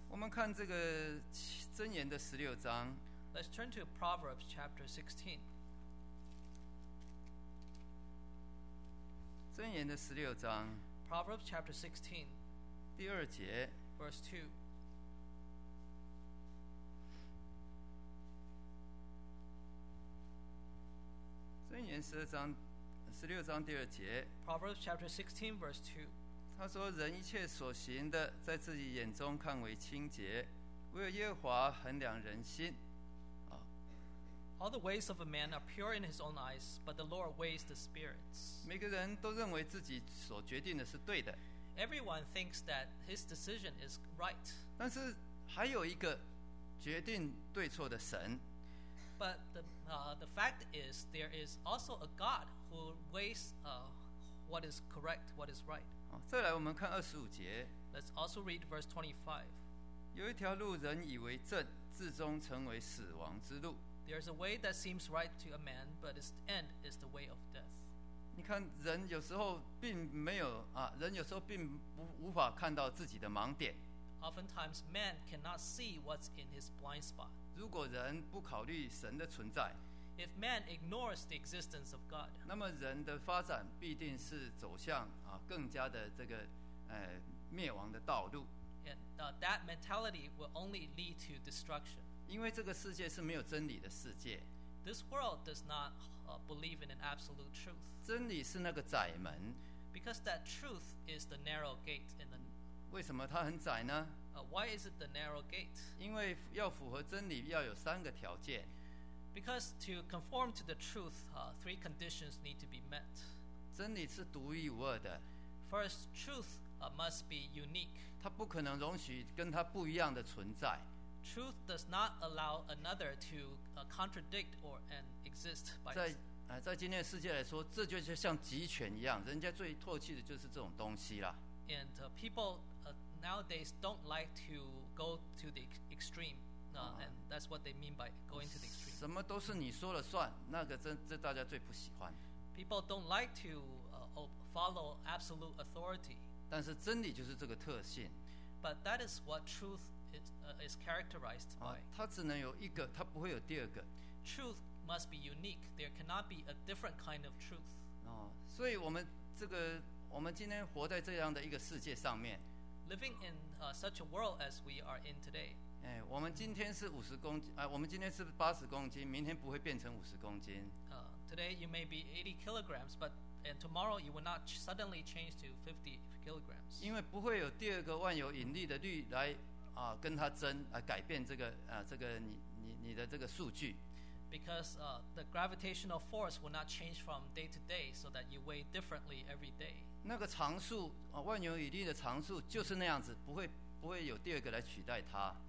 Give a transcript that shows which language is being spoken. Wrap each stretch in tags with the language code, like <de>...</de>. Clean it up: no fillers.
<zh>我们看这个箴言的十六章。</zh> <en>Let's turn to Proverbs chapter 16.</en> <zh>箴言的十六章。</zh> <en>Proverbs chapter 16,</en> <zh>第二节</zh> <en>verse 2.</en> <zh>箴言十二章十六章第二节。</zh> <en>Proverbs chapter 16, verse 2.</en> <zh>他说：“人一切所行的，在自己眼中看为清洁，唯有耶和华衡量人心。”</zh> <en>All the ways of a man are pure in his own eyes, but the Lord weighs the spirits.</en> <zh>每个人都认为自己所决定的是对的。</zh> <en>Everyone thinks that his decision is right.</en> <zh>但是还有一个决定对错的神。</zh> <en>But the fact is, there is also a God who weighs what is correct, what is right.</en> <zh>再来我们看二十五节。</zh> <en>Let's also read verse 25.</en> <zh>有一条路人以为正，至终成为死亡之路。</zh> <en>There is a way that seems right to a man, but its end is the way of death.</en> <zh>你看人有时候并没有啊，人有时候并不无法看到自己的盲点。</zh> <en>Oftentimes, man cannot see what's in his blind spot.</en> <zh>如果人不考虑神的存在</zh> <en>，If man ignores the existence of God,</en> <zh>那么人的发展必定是走向啊更加的这个灭亡的道路。</zh> <en>And that mentality will only lead to destruction.</en> <zh>因为这个世界是没有真理的世界。</zh> <en>This world does not believe in an absolute truth.</en> <zh>真理是那个窄门。</zh> <en>Because that truth is the narrow gate.</en> <zh>为什么它很窄呢？</zh> <en>Why is it the narrow gate?</en> <zh>因为要符合真理要有三个条件。</zh> <en>Because to conform to the truth, three conditions need to be met.</en> <zh>真理是独一无二的。</zh> <en>First, truth must be unique.</en> <zh>它不可能容许跟它不一样的存在。</zh> <en>Truth does not allow another to contradict or and exist by.</en> <zh>在今天的世界来说，这就像集权一样，人家最唾弃的就是这种东西了。</zh> <en>And people nowadays don't like to go to the extreme, and that's what they mean by going to the extreme.</en> <zh>什么都是你说了算，那个这大家最不喜欢。</zh> <en>People don't like to follow absolute authority.</en> <zh>但是真理就是这个特性。</zh> <en>But that is what truth. Is characterized by.</en> <zh>它只能有一个，它不会有第二个。</zh> <en>Truth must be unique. There cannot be a different kind of truth.</en> <zh>所以我们这个，我们今天活在这样的一个世界上面。</zh> <en>Living in such a world as we are in today.</en> <zh>我们今天是五十公斤，我们今天是八十公斤，明天不会变成五十公斤。</zh> <en>Today you may be 80 kilograms, but and tomorrow you will not suddenly change to 50 kilograms.</en> <zh>因为不会有第二个万有引力的律来。跟他争改变这个这个你的这个数据。</zh> <en>Because the gravitational force will not change from day to day, so that you weigh differently every day.</en> <zh>那个常数万有引力的常数就是那样子，不会有第二个来取代它。</zh>